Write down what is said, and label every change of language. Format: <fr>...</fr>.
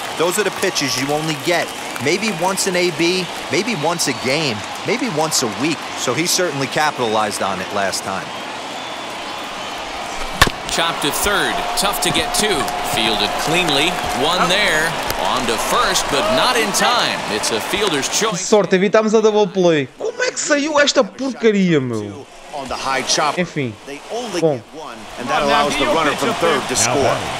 <en>Those are the pitches you only get maybe once an AB, maybe once a game, maybe once a week. So he certainly capitalized on it last time. Chopped to third. Tough to get two. Fielded cleanly. One there. On to first, but not in time. It's a fielder's choice.</en> <pt>Que sorte, evitamos a double play. Como é que saiu esta porcaria, meu? Enfim, bom.</pt> <en>And that allows the runner from third to score.</en>